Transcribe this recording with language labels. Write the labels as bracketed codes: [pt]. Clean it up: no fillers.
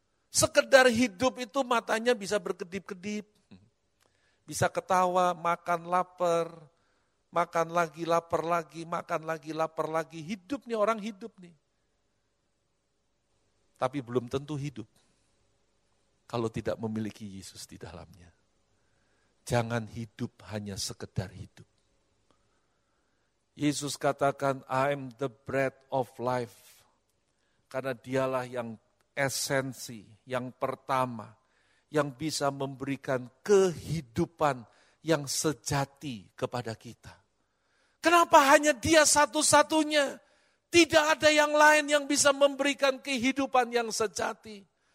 [id] Sekedar hidup itu matanya bisa berkedip-kedip. Bisa ketawa, makan lapar, makan lagi lapar lagi, makan lagi lapar lagi. Hidup nih, orang hidup nih. Tapi belum tentu hidup. Kalau tidak memiliki Yesus di dalamnya. Jangan hidup hanya sekedar hidup. Yesus katakan, [en] I am the bread of life. [id] Karena dialah yang esensi, yang pertama, yang bisa memberikan kehidupan yang sejati kepada kita. Kenapa hanya dia satu-satunya? Tidak ada yang lain yang bisa memberikan kehidupan yang sejati.